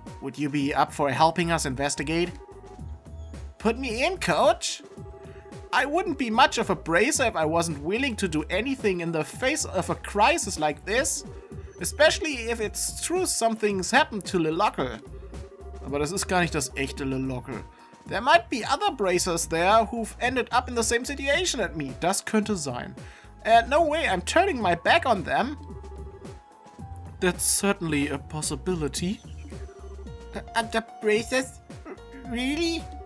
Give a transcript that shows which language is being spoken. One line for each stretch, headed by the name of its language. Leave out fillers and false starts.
English: Would you be up for helping us investigate? Put me in, coach. I wouldn't be much of a bracer if I wasn't willing to do anything in the face of a crisis like this. Especially if it's true something's happened to Lilocke.
German: Aber das ist gar nicht das echte Lilocke.
English: There might be other bracers there who've ended up in the same situation as me.
German: Das könnte sein.
English: And no way, I'm turning my back on them. That's certainly a possibility. Other bracers? Really?